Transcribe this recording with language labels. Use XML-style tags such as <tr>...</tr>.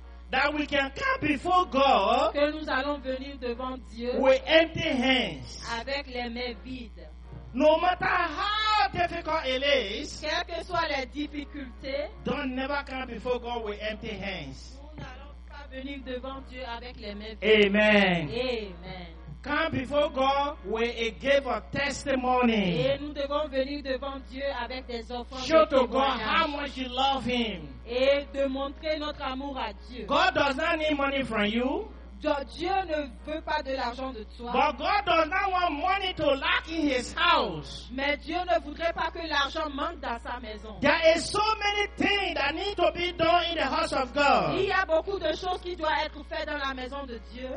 <en>that we can come before God,</en> <fr>que nous allons venir devant Dieu,</fr> <en>with empty hands,</en> <fr>avec les mains vides.</fr> <en>No matter how difficult it is,</en> <fr>quelles que soient les difficultés,</fr> <en>don't never come before God with empty hands.</en> <fr>Nous n'allons pas venir devant Dieu avec les mains vides.</fr> <en>Amen. Amen. Come before God with a gift of testimony.</en> <fr>Et nous devons venir devant Dieu avec des offrandes.</fr> <en>Show to God how much you love Him.</en> <fr>Et de montrer notre amour à Dieu.</fr> <en>God does not need money from you.</en> <fr>Dieu ne veut pas de l'argent de toi.</fr> <en>But God does not want money to lack in His house.</en> <fr>Mais Dieu ne voudrait pas que l'argent manque dans sa maison.</fr> <en>There is so many things that need to be done in the house of God.</en> <fr>Il y a beaucoup de choses qui doivent être faites dans la maison de Dieu.</fr>